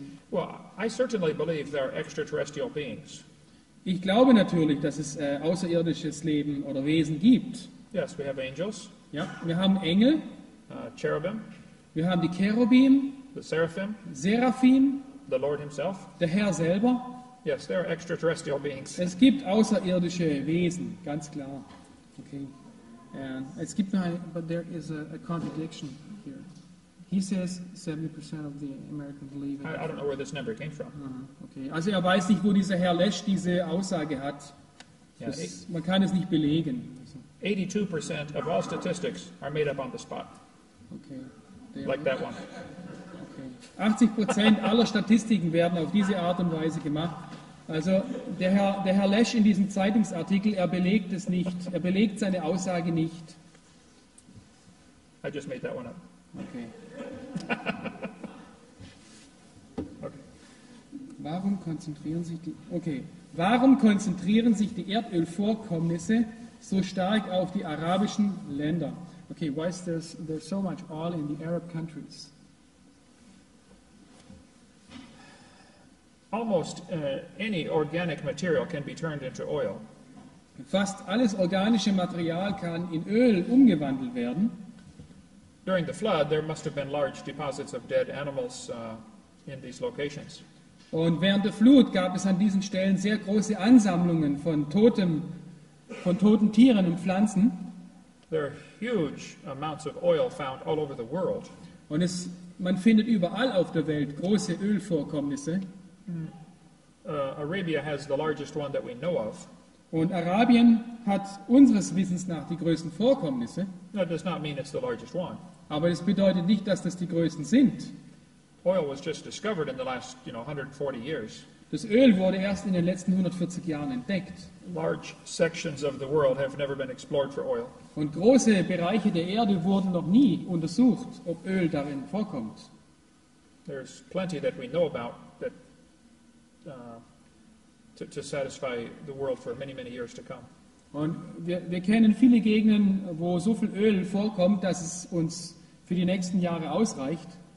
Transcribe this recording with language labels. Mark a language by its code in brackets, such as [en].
[en] Well, I certainly believe there are extraterrestrial beings. [de] Ich glaube natürlich, dass es außerirdisches Leben oder Wesen gibt. [en] Yes, we have angels. [de] Ja, wir haben Engel. [en] Cherubim. [de] Wir haben die Cherubim. [en] The Seraphim. [de] Seraphim. [en] The Lord himself. [de] Der Herr selber. [en] Yes, there are extraterrestrial beings. [de] Es gibt außerirdische Wesen, ganz klar. Okay. [en] And [de] es gibt noch [en] but there is a contradiction here. He says 70% of the Americans believe. I don't know where this number came from. Okay. [de] Also er weiß nicht, wo dieser Herr Lesch diese Aussage hat. Yeah, man kann es nicht belegen. [en] 82% of all statistics are made up on the spot. Okay. Like that one. Okay. [de] 80% aller Statistiken werden auf diese Art und Weise gemacht. Also der Herr Lesch in diesem Zeitungsartikel, er belegt es nicht. Er belegt seine Aussage nicht. [en] I just made that one up. Okay. Okay. [de] Warum konzentrieren sich die Erdölvorkommnisse so stark auf die arabischen Länder? [en] Okay, why is there so much oil in the Arab countries? Almost any organic material can be turned into oil. [de] Fast alles organische Material kann in Öl umgewandelt werden. [en] During the flood, there must have been large deposits of dead animals in these locations. [de] Und während der Flut gab es an diesen Stellen sehr große Ansammlungen von toten Tieren und Pflanzen. [en] There are huge amounts of oil found all over the world. [de] Und man findet überall auf der Welt große Ölvorkommnisse. [en] Arabia has the largest one that we know of. [de] Und Arabien hat unseres Wissens nach die größten Vorkommnisse. [en] That does not mean it's the largest one. [de] Aber es bedeutet nicht, dass das die größten sind. [en] Oil was just discovered in the last, 140 years. [de] Das Öl wurde erst in den letzten 140 Jahren entdeckt. [en] Large sections of the world have never been explored for oil. [de] Und große Bereiche der Erde wurden noch nie untersucht, ob Öl darin vorkommt. [en] There's plenty that we know about that to satisfy the world for many, many years to come. [de] Und wir kennen viele Gegenden, wo so viel Öl vorkommt, dass es uns für die nächsten Jahre ausreicht.